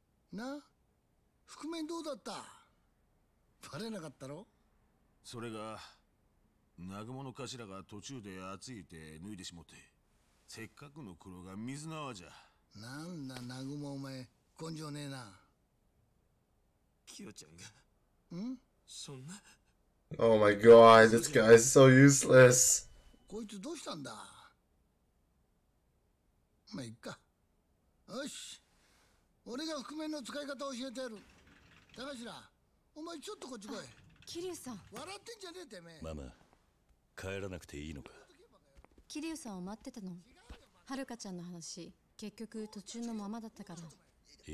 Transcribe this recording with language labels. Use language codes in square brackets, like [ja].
[ja] Na, 覆面どうだった？バレなかったろ？それが南雲の頭が途中で熱いて脱いでしもって、せっかくの黒が水縄じゃ。なんだ南雲お前、根性ねえな。キヨちゃんが。ん？そんな。 [en] Oh my god, this guy is so useless. [ja] こいつどうしたんだ。まあいっか。よし、俺が覆面の使い方を教えてやる。高頭、お前ちょっとこっち来い。キリュウさん。笑ってんじゃねえてめえ。ママ、帰らなくていいのか。キリュウさんを待ってたの。はるかちゃんの話、結局途中のままだったから。